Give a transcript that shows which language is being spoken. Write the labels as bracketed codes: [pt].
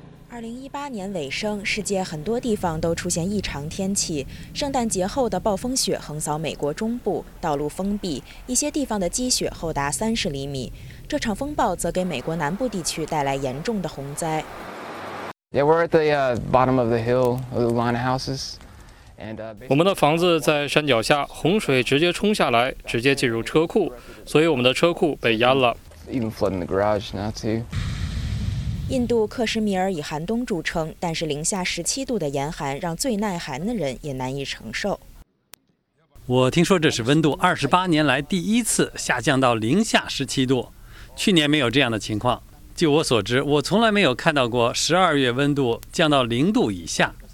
[zh] 2018年尾声，世界很多地方都出现异常天气。圣诞节后的暴风雪横扫美国中部，道路封闭，一些地方的积雪厚达30厘米。这场风暴则给美国南部地区带来严重的洪灾。 [en] Yeah, we're at the bottom of the hill, of the line of houses. [zh] 我们的房子在山脚下，洪水直接冲下来，直接进入车库，所以我们的车库被淹了。 [en] Even flooding the garage now too. [zh] 印度克什米尔以寒冬著称，但是零下17度的严寒让最耐寒的人也难以承受。我听说这是温度28年来第一次下降到零下17度，去年没有这样的情况。据我所知，我从来没有看到过12月温度降到0度以下。